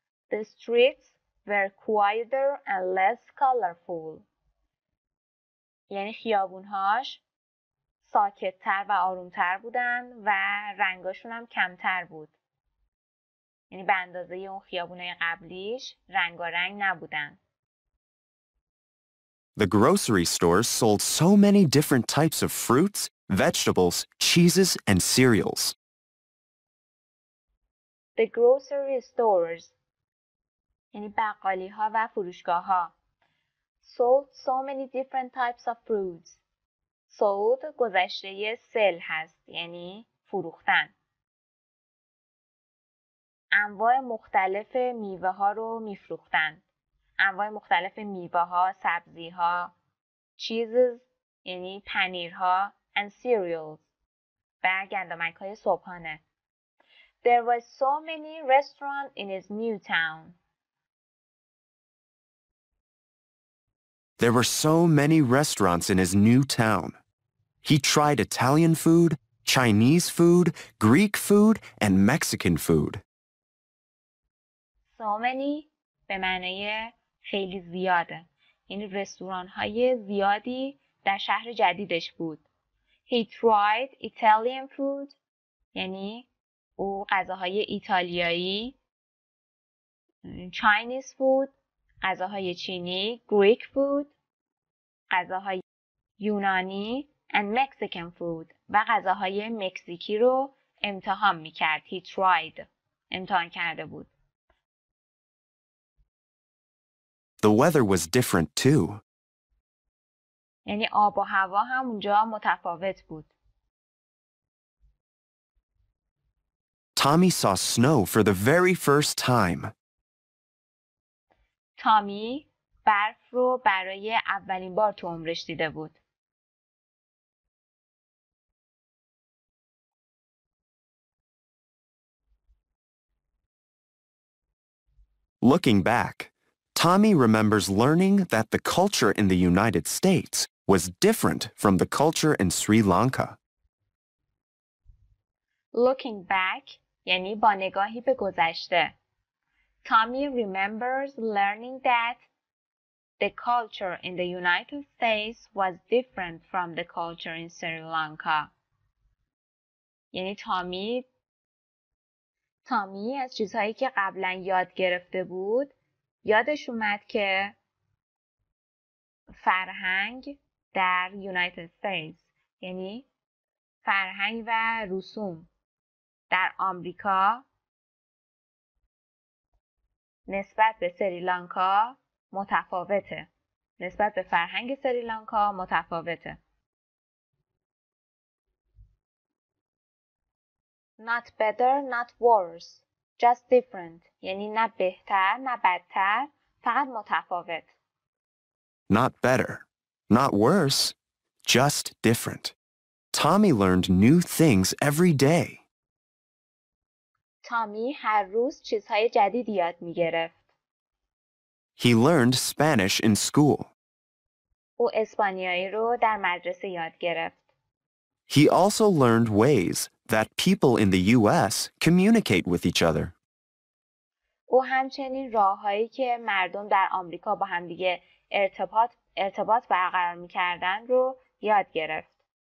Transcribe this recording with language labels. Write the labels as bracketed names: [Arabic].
[English] The streets were quieter and less colorful. [Persian] یعنی خیابون‌هاش ساکت‌تر و آروم‌تر بودن و رنگاشون هم کمتر بود. یعنی به اندازه اون خیابونه قبلیش رنگارنگ نبودن. [English] The grocery stores sold so many different types of fruits, vegetables, cheeses, and cereals. The grocery stores. [Persian] یعنی بقالی ها و فروشگاه ها. [English] Sold so many different types of fruits. Sold [Persian] گذشته سل هست. یعنی فروختن. انواع مختلف میوه ها رو میفروختن. انواع مختلف میوه ها، سبزی ها، cheeses یعنی پنیر ها [English] and cereals [Persian] و گندمک های صبحانه. [English] There was so many restaurants in his new town. There were so many restaurants in his new town. He tried Italian food, Chinese food, Greek food and Mexican food. So many [Persian] به معنی خیلی زیاده. این رستوران های زیادی در شهر جدیدش بود. [English] He tried Italian food. [Persian] یعنی او غذاهای ایتالیایی. [English] Chinese food. [Persian] غذاهای چینی. [English] Greek food. [Persian] غذاهای یونانی. [English] And Mexican food. [Persian] و غذاهای مکزیکی رو امتحان میکرد. [English] He tried. [Persian] امتحان کرده بود. [English] The weather was different too. [Persian] یعنی آب و هوا هم اونجا متفاوت بود. [English] Tommy saw snow for the very first time. [Persian] تامی برف رو برای اولین بار تو عمرش دیده بود. [English] Looking back, Tommy remembers learning that the culture in the United States was different from the culture in Sri Lanka. Looking back, [Persian] یعنی با نگاهی به گذشته. [English] Tommy remembers learning that the culture in the United States was different from the culture in Sri Lanka. [Persian] یعنی تامی از چیزهایی که قبلا یاد گرفته بود یادش اومد که فرهنگ در یونایتد استیتس یعنی فرهنگ و رسوم در آمریکا نسبت به سریلانکا متفاوته نسبت به فرهنگ سریلانکا متفاوته [English] Not better, not worse. Just different. [Persian] یعنی نه بهتر، نه بدتر، فقط متفاوت. [English] Not better, not worse, just different. Tommy learned new things every day. [Persian] Tommy هر روز چیزهای جدیدی یاد می‌گرفت. [English] He learned Spanish in school. [Persian] او اسپانیایی رو در مدرسه یاد گرفت. [English] He also learned ways that people in the US communicate with each other. [Persian] او همچنین راه‌هایی که مردم در آمریکا با هم دیگه ارتباط برقرار می‌کردن رو یاد گرفت.